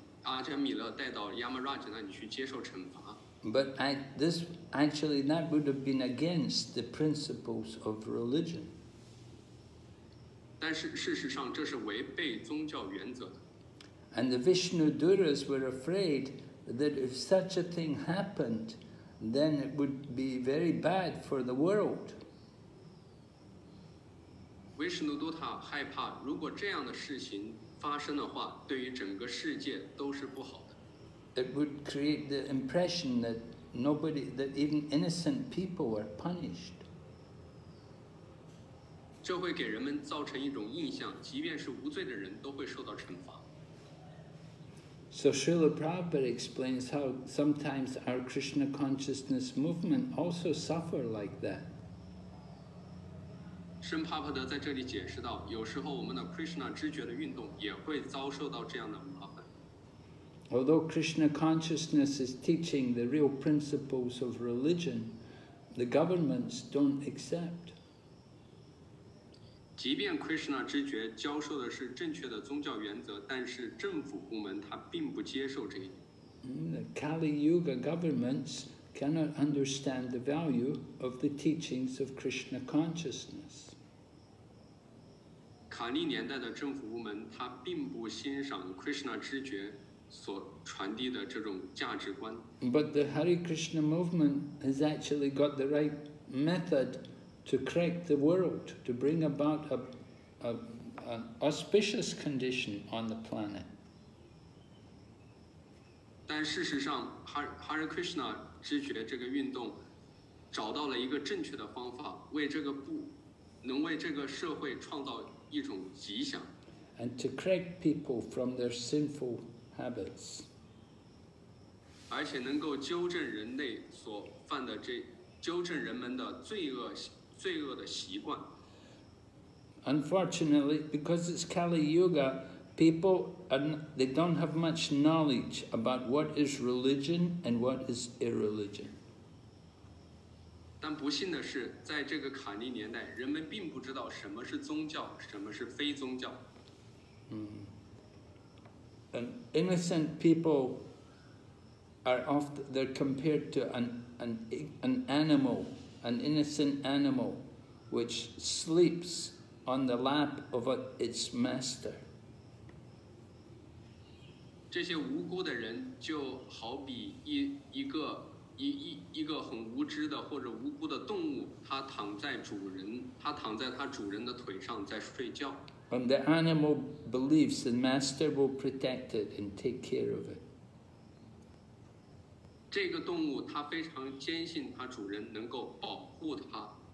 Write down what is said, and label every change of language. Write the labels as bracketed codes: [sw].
[en] But this actually that would have been against the principles of religion. [zh] But 事实上这是违背宗教原则的。 [en] And the Vishnuduras were afraid that if such a thing happened, then it would be very bad for the world. [zh] Vishnudutta 害怕如果这样的事情发生的话，对于整个世界都是不好的。 [en] It would create the impression that nobody, that even innocent people were punished. [zh] 这会给人们造成一种印象，即便是无罪的人都会受到惩罚。 [en] So Srila Prabhupada explains how sometimes our Krishna consciousness movement also suffer like that. [zh] Srila Prabhupada 在这里解释到，有时候我们的 Krishna 知觉的运动也会遭受到这样的麻烦。 [en] Although Krishna consciousness is teaching the real principles of religion, the governments don't accept. [zh] 即便 Krishna 知觉教授的是正确的宗教原则，但是政府部门他并不接受这一点。 [en] The Kali Yuga governments cannot understand the value of the teachings of Krishna consciousness. [zh] 卡利年代的政府部门他并不欣赏 Krishna 知觉所传递的这种价值观。 [en] But the Hare Krishna movement has actually got the right method to correct the world, to bring about an auspicious condition on the planet. [zh] 但事实上 Hare Krishna 知觉这个运动找到了一个正确的方法，为这个部能为这个社会创造一种吉祥。 [en] And to correct people from their sinful habits. [zh] 而且能够纠正人类所犯的这纠正人们的罪恶罪恶的习惯。 [en] Unfortunately, because it's Kali Yuga, people they don't have much knowledge about what is religion and what is irreligion. [zh] 但不幸的是，在这个卡利年代，人们并不知道什么是宗教，什么是非宗教。 [en] And innocent people are often they're compared to an animal. An innocent animal which sleeps on the lap of its master. [zh] 这些无辜的人就好比一个很无知的或者无辜的动物，它躺在它主人的腿上在睡觉。 [en] And the animal believes the master will protect it and take care of it. [zh] 这个动物它非常坚信它主人能够保护它。